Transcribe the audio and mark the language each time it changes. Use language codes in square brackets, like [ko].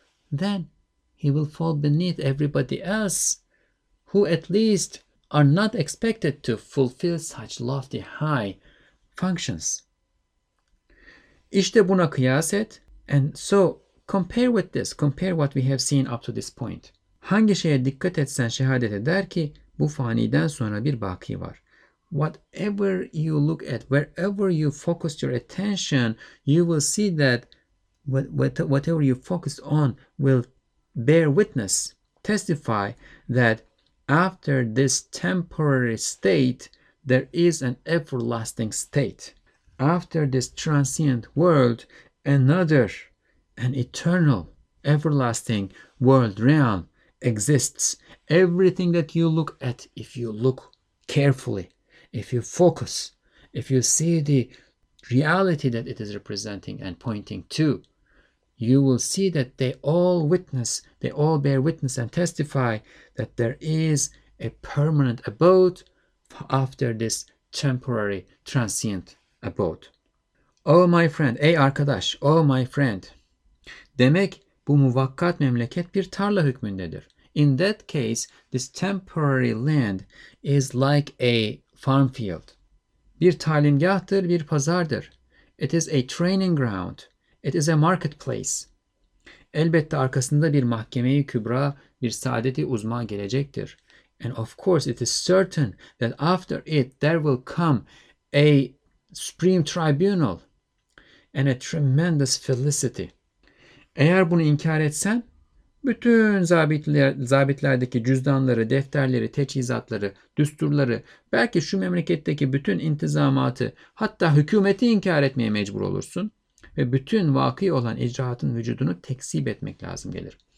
[en] Then he will fall beneath everybody else who at least are not expected to fulfill such lofty high functions. [tr] İşte buna kıyas et. [en] And so compare with this, compare what we have seen up to this point. [tr] Hangi şeye dikkat etsen şehadet eder ki bu faniden sonra bir baki var. [en] Whatever you look at, wherever you focus your attention, you will see that whatever you focus on will bear witness, testify that after this temporary state, there is an everlasting state. After this transient world, another, an eternal, everlasting world realm exists. Everything that you look at, if you look carefully, if you focus, if you see the reality that it is representing and pointing to, you will see that they all witness, they all bear witness and testify that there is a permanent abode after this temporary transient abode. Oh my friend, [tr] ey arkadaş, [en] oh my friend. [tr] Demek bu muvakkat memleket bir tarla hükmündedir. [en] In that case, this temporary land is like a farm field. [tr] Bir talimgahtır, bir pazardır. [en] It is a training ground. It is a marketplace. [tr] Elbette arkasında bir mahkeme-i kübra, bir saadet-i uzma gelecektir. [en] And of course, it is certain that after it, there will come a supreme tribunal and a tremendous felicity. [tr] Eğer bunu inkar etsen, bütün zabitlerdeki cüzdanları, defterleri, teçhizatları, düsturları, belki şu memleketteki bütün intizamatı, hatta hükümeti inkar etmeye mecbur olursun ve bütün vaki olan icraatın vücudunu tekzip etmek lazım gelir.